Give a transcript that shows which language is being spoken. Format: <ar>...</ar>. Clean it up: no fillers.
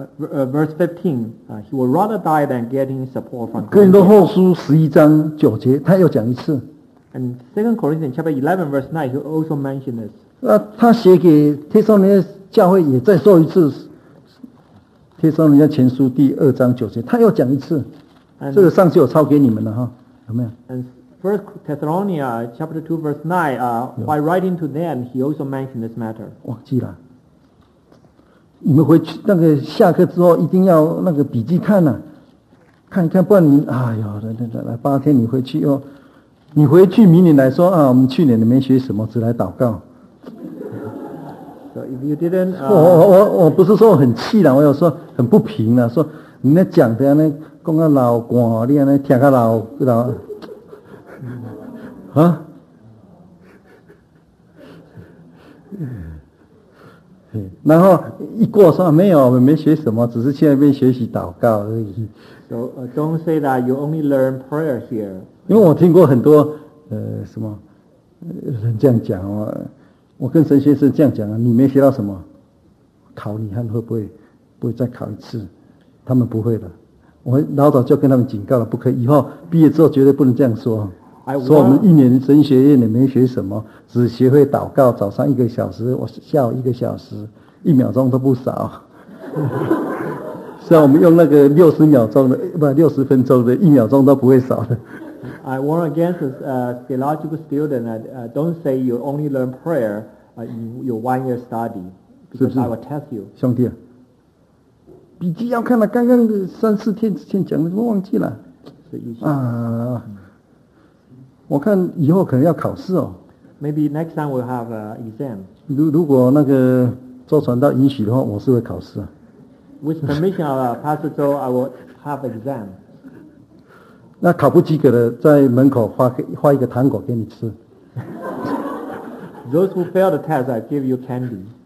<en>Verse 15, he would rather die than getting support from.</en> <zh>哥林多后书十一章九节，他又讲一次。</zh> <en>And Second Corinthians chapter 11 verse 9, he also mentioned this.</en> <zh>他写给帖撒罗尼教会也再说一次帖撒罗尼迦前书第二章九节，他又讲一次。</zh> <en>And,</en> <zh>这个上次我抄给你们了哈，有没有？</zh> <en>And First Thessalonians chapter 2 verse 9, while writing to them, he also mentioned this matter.</en> <zh>忘记了，你们回去那个下课之后一定要那个笔记看了、啊、看一看，不然你哎呦，来八天你回去哟、哦，你回去明年来说啊，我们去年你没学什么，只来祷告。</zh> <en>So if you didn't,</en> <zh>我不是说很气了，我有说很不平了，说你那讲的那。讲啊老寡，你安尼听啊老老，啊？然后一过说没有，我们没学什么，只是去那边学习祷告而已。</zh> <en>So don't say that you only learn prayer here.</en> <zh>因为我听过很多什么人这样讲哦，我跟神学生这样讲啊，你没学到什么，考你看会不会再考一次？他们不会的。我老早就跟他们警告了，不可以，以后毕业之后绝对不能这样说。说我们一年神学院也没学什么，只学会祷告，早上一个小时，我下午一个小时，一秒钟都不少。虽然我们用那个60分钟的，一秒钟都不会少的。</zh> <en>I warn against theological student that don't say you only learn prayer in your 1 year study, because I will test you.</en> <zh>兄弟、啊。笔记要看了，刚刚三四天之前讲的都忘记了。啊，我看以后可能要考试哦。</zh> <en>Maybe next time we'll have an exam.</en> <zh>如果那个周传道允许的话，我是会考试啊。</zh> <en>With permission of Pastor Zhou, I will have exam.</en> <zh>那考不及格的，在门口画一个糖果给你吃。</zh> <en>Those who fail the test, I give you candy.</en>